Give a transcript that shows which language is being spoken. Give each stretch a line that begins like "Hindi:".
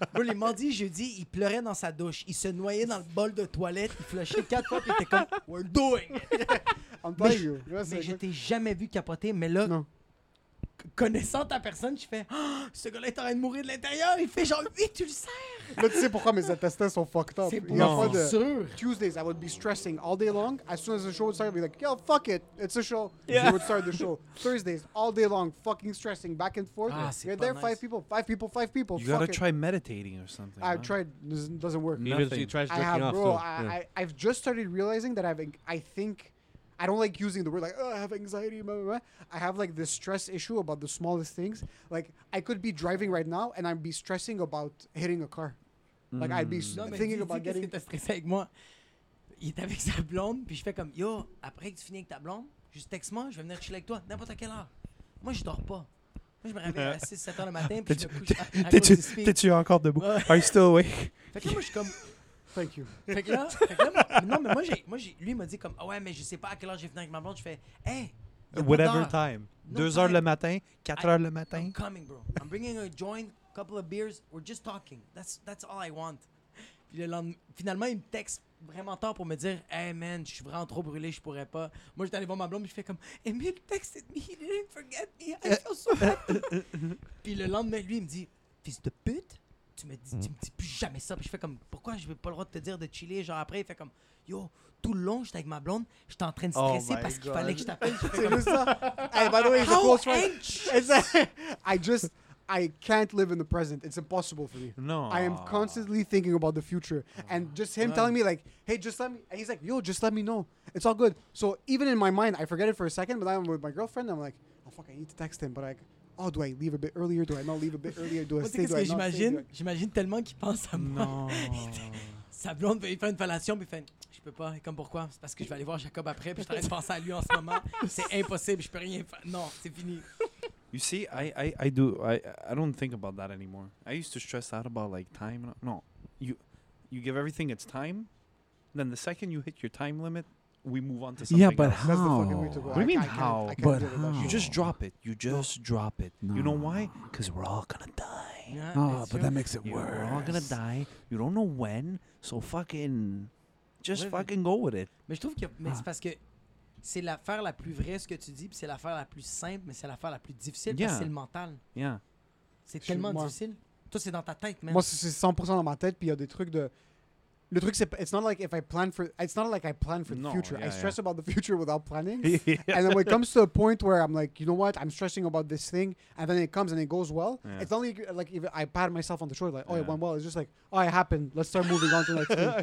French: Les mardis et jeudis, il pleurait dans sa douche. Il se noyait dans le bol de toilette. Il flushait 4 fois et il était comme,
English: we're doing.
French: mais je t'ai jamais vu capoter. Mais là, connaissant ta personne, je fais, oh, ce gars-là est en train de mourir de l'intérieur. Il fait genre, oui, tu le sers. Là, tu sais pourquoi mes intestins sont fucked up. C'est bon, non. C'est sûr.
English: Tuesdays, I would be stressing all day long. As soon as the show would start, I'd be like, yo, fuck it. It's a show. Yeah. You would start the show. Thursdays, all day long, fucking stressing back and forth. Ah, you're
French: c'est
English: there, nice. five people. You gotta try meditating or something. I've tried. This doesn't work. Nothing. Even if you try jerking off, though. I've just started realizing that I think, I don't like using the word like, oh, I have anxiety, blah, blah, blah. I have like this stress issue about the smallest things. Like, I could be driving right now and I'd be stressing about hitting a car. Like, I'd be thinking about getting...
French: Qu'est-ce que t'as stressé avec moi? Il est avec sa blonde, puis je fais comme, yo, après que tu finis avec ta blonde, juste texte-moi, je vais venir chiller avec toi, n'importe quelle heure. Moi, je dors pas. Moi, je me réveille à 6-7 heures le matin, puis je me couche à T'es-tu encore debout?
English: Are you still awake?
French: Fait que là, moi, je suis comme...
English: Thank you.
French: Fait que là, moi, lui, il m'a dit comme, ah ouais, mais je sais pas à quelle heure j'ai fini avec ma blonde. Je fais, hey,
English: whatever time.
French: 2 heures le matin, 4 heures le matin.
English: I'm coming, bro. I'm bringing a joint, couple of beers. We're just talking. That's all I want.
French: Puis le lendemain, finalement, il me texte vraiment tard pour me dire « Hey man, je suis vraiment trop brûlé, je pourrais pas. » Moi, j'étais allé voir ma blonde, je fais comme «
English: Emile texted me, he didn't forget me, I feel so bad.
French: » Puis le lendemain, lui, il me dit « Fils de pute, tu me dis, tu me dis plus jamais ça. » Puis je fais comme « Pourquoi je n'ai pas le droit de te dire de chiller ?» Genre après, il fait comme « Yo, tout le long, j'étais avec ma blonde, j'étais en train de stresser parce qu'il fallait que je t'appelle. » C'est comme ça.
English: Hey, by the way, how anxious. I just... I can't live in the present. It's impossible for me. No. I am constantly thinking about the future. And just him telling me like, hey, just let me... And he's like, yo, just let me know. It's all good. So even in my mind, I forget it for a second, but I'm with my girlfriend. I'm like, oh, fuck, I need to text him. But like, oh, do I leave a bit earlier? Do I not leave a bit earlier? Do I stay? Do I not
French: j'imagine?
English: Stay?
French: J'imagine tellement qu'il pense à moi. Non. Sa blonde veut faire une fellation, puis fait, je peux pas. Et comme pourquoi? C'est parce que je vais aller voir Jacob après, puis je t'arrête de penser à lui en ce moment. C'est impossible. Je peux rien faire. Non, c'est fini.
English: You see, I don't think about that anymore. I used to stress out about like time. No, you give everything its time. Then the second you hit your time limit, we move on to something. Yeah, but else. How? That's the fucking way to go. What do you mean how? But you just drop it. You just drop it. No. You know why? Because we're all gonna die. Yeah, oh, but that makes it worse. We're all gonna die. You don't know when. So fucking, just what fucking go with it.
French: Mais je trouve que mais c'est parce que. C'est l'affaire la plus vraie, ce que tu dis, puis c'est l'affaire la plus simple, mais c'est l'affaire la plus difficile, parce que c'est le mental.
English: Yeah.
French: C'est tellement difficile. Toi, c'est dans ta tête, même. Moi, c'est 100% dans ma tête, puis il y a des trucs de... Le truc, c'est...
English: It's not like I plan for the future. Yeah, I stress about the future without planning. And then when it comes to a point where I'm like, you know what, I'm stressing about this thing, and then it comes and it goes well, it's not like if I pat myself on the shoulder, like, oh, it went well. It's just like, oh, it happened. Let's start moving on to the next thing.